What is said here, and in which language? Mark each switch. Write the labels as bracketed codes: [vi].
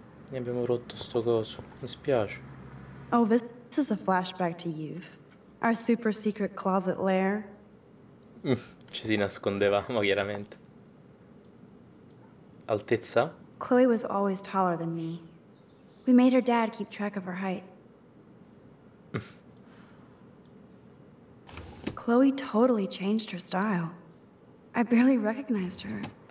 [it] Ne abbiamo rotto sto coso, mi spiace. [en] Oh, this is a flashback to youth. Our super secret closet lair. [it] Ci si nascondeva, ma chiaramente. Altezza? [en] Chloe was always taller than me. We made her dad keep track of her height. Chloe totally changed her style. I barely recognized her.